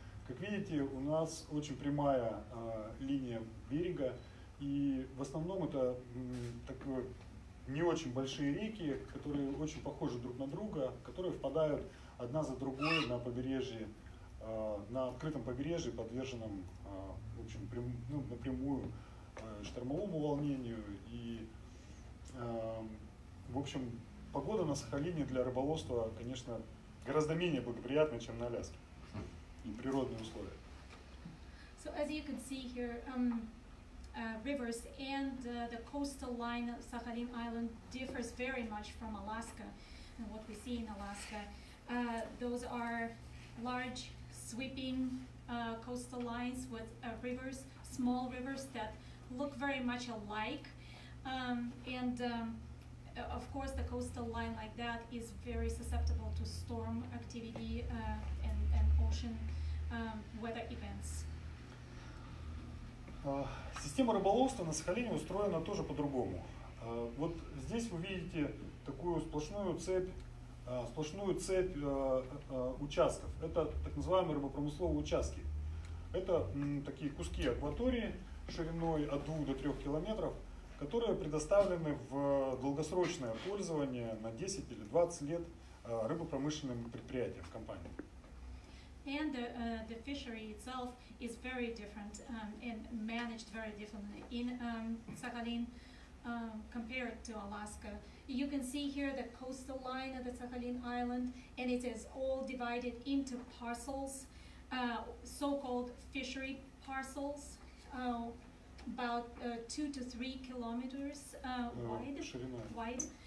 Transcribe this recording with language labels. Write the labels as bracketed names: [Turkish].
[Russian] Как видите, у нас очень прямая линия берега, и в основном это такое не очень большие реки, которые очень похожи друг на друга, которые впадают одна за другой на побережье, на открытом побережье, подверженном в общем, напрямую штормовому волнению. И, в общем, погода на Сахалине для рыболовства, конечно, гораздо менее благоприятна, чем на Аляске. И природные условия. [English] So, as you can see here, rivers and the coastal line of Sakhalin Island differs very much from Alaska and what we see in Alaska. Those are large sweeping coastal lines with rivers, small rivers that look very much alike. Of course, the coastal line like that is very susceptible to storm activity and ocean weather events. [Russian] Система рыболовства на Сахалине устроена тоже по-другому. Вот здесь вы видите такую сплошную цепь участков. Это так называемые рыбопромысловые участки. Это такие куски акватории шириной от 2 до 3 километров, которые предоставлены в долгосрочное пользование на 10 или 20 лет рыбопромышленным предприятиям, компаниям. [English] And the fishery itself is very different and managed very differently in Sakhalin compared to Alaska. You can see here the coastal line of the Sakhalin Island, and it is all divided into parcels, so-called fishery parcels, about 2 to 3 kilometers wide.